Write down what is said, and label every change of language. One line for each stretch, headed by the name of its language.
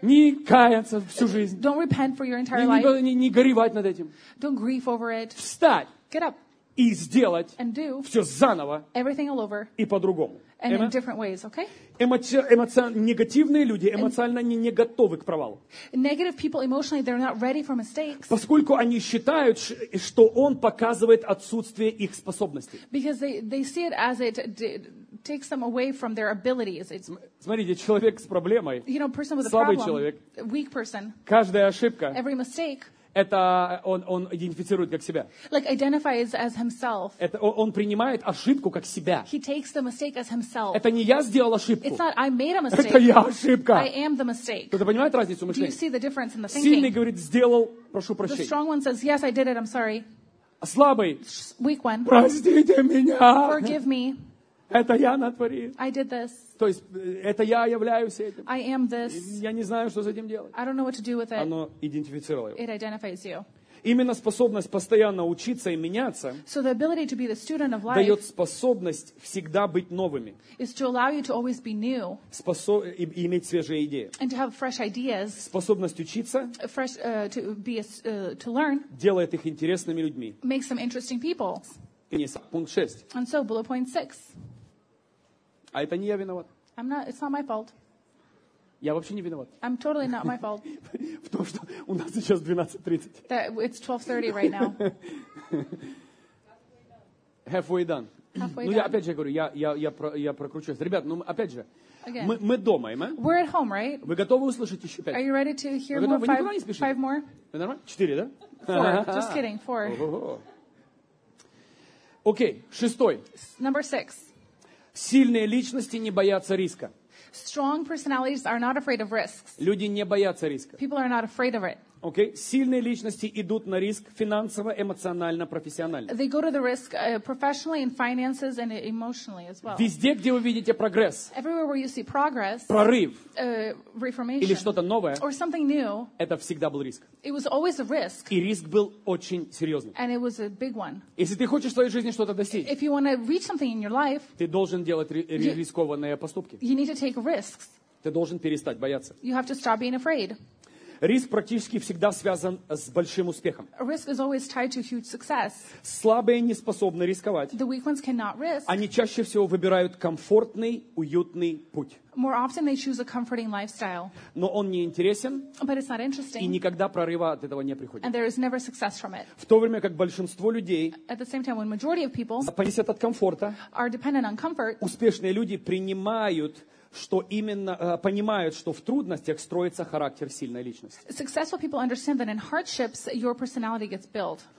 Russian: Не каяться всю жизнь.
English: Don't repent for your entire life.
Russian: Не горевать над этим.
English: Don't grieve over it.
Russian: Встать.
English: Get up.
Russian: И сделать
English: and do
Russian: все заново.
English: Everything all over.
Russian: И по-другому.
English: And in different ways, okay?
Russian: Негативные люди эмоционально не готовы к провалу.
English: Negative people emotionally they're not ready for mistakes.
Russian: Поскольку они считают, что он показывает отсутствие их способностей.
English: Because they see it as it takes them away from their abilities. It's...
Russian: Смотрите, человек с проблемой,
English: you know, person with
Russian: слабый
English: a problem,
Russian: человек,
English: weak person,
Russian: каждая ошибка,
English: every mistake,
Russian: это он идентифицирует как себя.
English: Like identifies as himself.
Russian: Это он принимает ошибку как себя.
English: He takes the mistake as himself.
Russian: Это не я сделал ошибку.
English: It's not I made a mistake.
Russian: Это я ошибка.
English: I am the mistake.
Russian: Кто-то понимает разницу мышления?
English: Do you see the difference in the thinking?
Russian: Сильный говорит, сделал, прошу прощения.
English: The strong one says, yes, I did it, I'm sorry.
Russian: А слабый,
English: weak one,
Russian: простите меня.
English: Forgive me.
Russian: Это я натворил.
English: I did this.
Russian: То есть, это я являюсь этим.
English: I am this.
Russian: Я не знаю, что с этим делать.
English: I don't know what to do with it.
Russian: Оно идентифицировало его.
English: It identifies you.
Russian: Именно способность постоянно учиться и меняться,
English: so the ability to be the student of life,
Russian: дает способность всегда быть новыми,
English: is to allow you to always be new,
Russian: и иметь свежие идеи,
English: and to have fresh ideas,
Russian: способность учиться,
English: fresh, to be a, to learn,
Russian: делает их интересными людьми,
English: makes them interesting people.
Russian: Пункт 6.
English: And so, bullet point 6.
Russian: А это не я виноват.
English: I'm not, it's not my fault.
Russian: Я вообще не виноват.
English: I'm totally not my fault.
Russian: В том, что у нас сейчас 12:30.
English: That it's 12:30 right now. Halfway done.
Russian: Ну, я опять же говорю, я прокручусь. Ребят, ну опять же, мы дома, мы?
English: We're at home, right?
Russian: Вы готовы услышать еще пять?
English: Are you ready to hear more?
Russian: Вы никуда не спешите?
English: Five more?
Russian: Вы нормально? Четыре, да?
English: Four. Just kidding. Four.
Russian: Окей, шестой.
English: Number six.
Russian: Сильные личности не боятся риска.
English: Strong personalities are not afraid of risks.
Russian: Люди не боятся риска.
English: People are not afraid of it.
Russian: Окей, сильные личности идут на риск финансово, эмоционально, профессионально.
English: They go to the risk professionally, in finances, and emotionally as well.
Russian: Везде, где вы видите прогресс.
English: Everywhere where you see progress.
Russian: Прорыв.
English: Reformation.
Russian: Или что-то новое.
English: Or something new.
Russian: Это всегда был риск.
English: It was always a risk.
Russian: И риск был очень серьезный.
English: And it was a big one.
Russian: Если ты хочешь в своей жизни что-то достичь.
English: If you want to reach something in your life.
Russian: Ты должен делать рискованные поступки.
English: You need to take risks.
Russian: Ты должен перестать бояться.
English: You have to stop being afraid.
Russian: Риск практически всегда связан с большим успехом.
English: Risk is always tied to huge success.
Russian: Слабые не способны рисковать.
English: The weak ones cannot risk.
Russian: Они чаще всего выбирают комфортный, уютный путь.
English: More often they choose a comforting lifestyle.
Russian: Но он не интересен.
English: But it's not interesting.
Russian: И никогда прорыва от этого не приходит.
English: And there is never success from it.
Russian: В то время как большинство людей,
English: at the same time, when majority of people,
Russian: зависят от комфорта,
English: are dependent on comfort,
Russian: успешные люди принимают, что именно понимают, что в трудностях строится характер сильной личности.
English: Successful people understand that in hardships your personality gets built.